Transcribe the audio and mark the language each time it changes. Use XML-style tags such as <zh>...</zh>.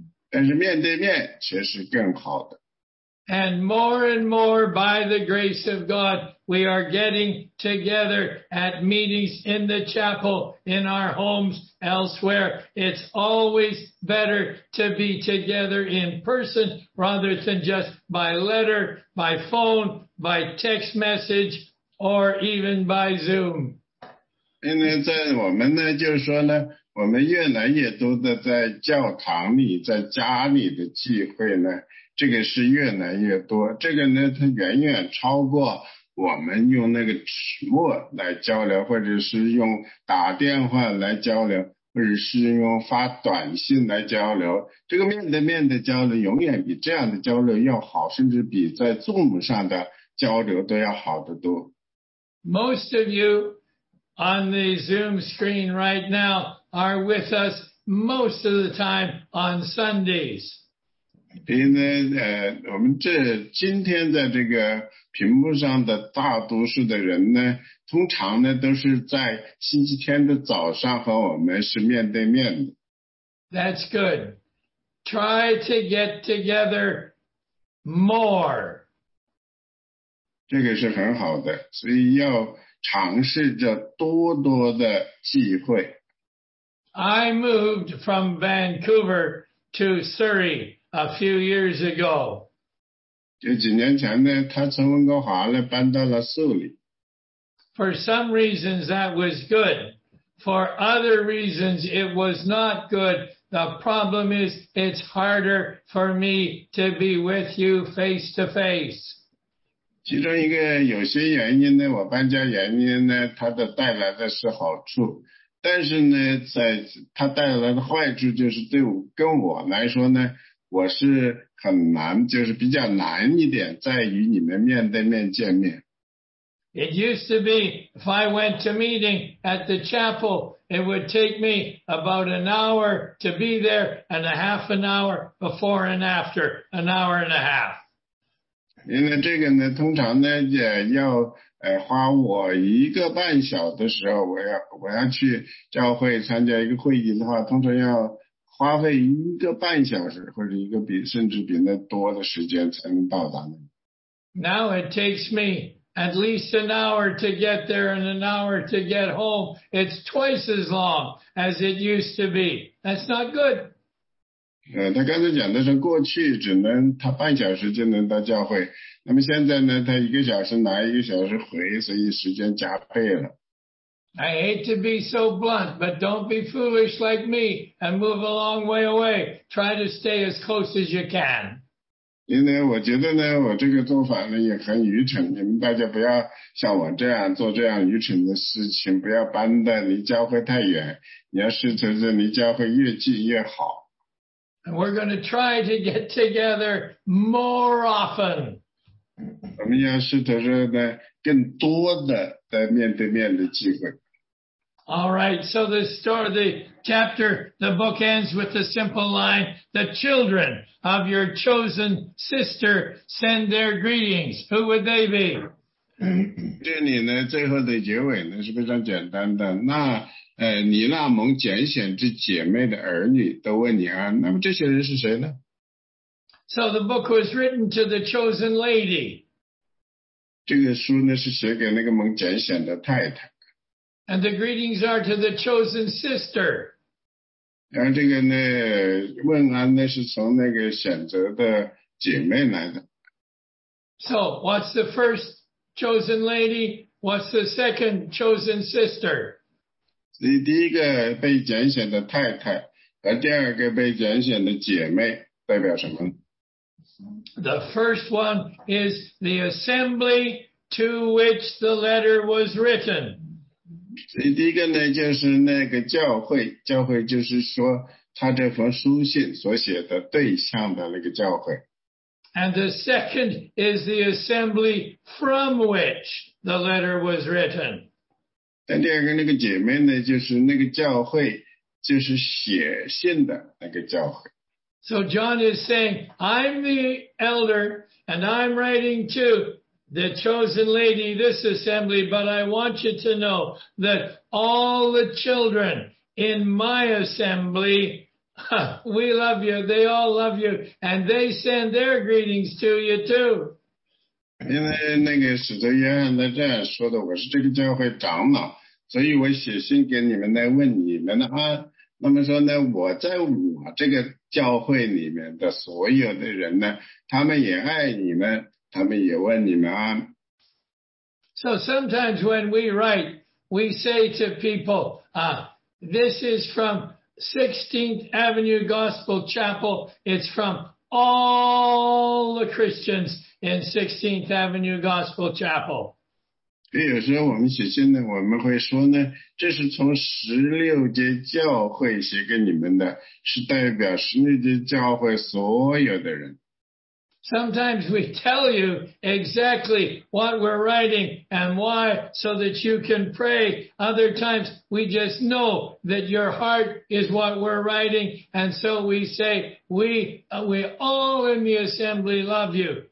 <zh>但是面对面却是更好的。</zh> <en>And more and more, by the grace of God, we are getting together at meetings in the chapel, in our homes, elsewhere. It's always better to be together in person rather than just by letter, by phone, by text message, or even by Zoom.</en> <zh>因为在我们呢，就是说呢，我们越来越多的在教堂里，在家里的聚会呢。这个是越来越多，这个呢它远远超过我们用那个纸墨来交流，或者是用打电话来交流，或者是用发短信来交流，这个面对面的交流永远比这样的交流要好，甚至比在 Zoom 上的交流都要好得多。</zh> <en>Most of you on the Zoom screen right now are with us most of the time on Sundays.</en> <zh>因为我们这今天在这个屏幕上的大多数的人呢，通常呢都是在星期天的早上和我们是面对面的。</zh> <en>That's good. Try to get together more.</en> <zh>这个是很好的，所以要尝试着多多的机会。</zh> <en>I moved from Vancouver to Surrey a few years ago.</en> <zh>就几年前呢，他从温哥华呢搬到了苏里。</zh> <en>For some reasons that was good. For other reasons it was not good. The problem is it's harder for me to be with you face to face.</en> <zh>其中一个有些原因呢，我搬家原因呢，它的带来的是好处。但是呢，在它带来的坏处就是对我跟我来说呢，我是很难，就是比较难一点，在与你们面对面见面。</zh> <en>It used to be if I went to meeting at the chapel, it would take me about an hour to be there and a half an hour before and after, an hour and a half.</en> <zh>因为这个呢，通常呢也要花我一个半小的时候，我要去教会参加一个会议的话，通常要花费一个半小时或者一个比甚至比那多的时间才能到达那。</zh> <en>Now it takes me at least an hour to get there and an hour to get home. It's twice as long as it used to be. That's not good.</en> <zh>他刚才讲的是过去只能他半小时就能到教会，那么现在呢，他一个小时来，一个小时回，所以时间加倍了。</zh> <en>I hate to be so blunt, but don't be foolish like me and move a long way away. Try to stay as close as you can.</en> <zh>因为我觉得呢，我这个做法呢也很愚蠢，你们大家不要像我这样做这样愚蠢的事情，不要搬得离教会太远，你要试着是离教会越近越好。</zh> <en>And we're going to try to get together more often.</en> <zh>我们要试着是呢更多的在面对面的机会。</zh> <en>All right, so the story, the chapter, the book ends with the simple line, the children of your chosen sister send their greetings. Who would they be?</en> <zh>这里呢，最后的结尾呢是非常简单的。那你那蒙拣选之姐妹的儿女都问你安。那么这些人是谁呢？</zh> <en>So the book was written to the chosen lady.</en> <zh>这个书呢是写给那个蒙拣选的太太。</zh> <en>And the greetings are to the chosen sister.</en> <zh>然后这个呢，问安呢是从那个选择的姐妹来的。</zh> <en>So, what's the first chosen lady? What's the second chosen sister?</en> <zh>第一个被拣选的太太和第二个被拣选的姐妹代表什么？</zh> <en>The first one is the assembly to which the letter was written.</en> <zh>所以第一个呢就是那个教会，教会就是说他这封书信所写的对象的那个教会。</zh> <en>And the second is the assembly from which the letter was written.</en> <zh>但第二个那个姐妹呢就是那个教会，就是写信的那个教会。</zh> <en>So John is saying, I'm the elder and I'm writing to the chosen lady, this assembly, but I want you to know that all the children in my assembly, we love you, they all love you, and they send their greetings to you too.</en> <zh>因为那个使徒约翰在这样说的，我是这个教会长老，所以我写信给你们来问你们的安。那么说呢，我在我这个教会里面的所有的人呢，他们也爱你们。他们也问你们啊。</zh> <en>So sometimes when we write, we say to people, this is from 16th Avenue Gospel Chapel. It's from all the Christians in 16th Avenue Gospel Chapel.</en> <zh>有时候我们写信呢，我们会说呢，这是从16节教会写给你们的，是代表16节教会所有的人。</zh> <en>Sometimes we tell you exactly what we're writing and why so that you can pray. Other times we just know that your heart is what we're writing. And so we say, we all in the assembly love you.</en>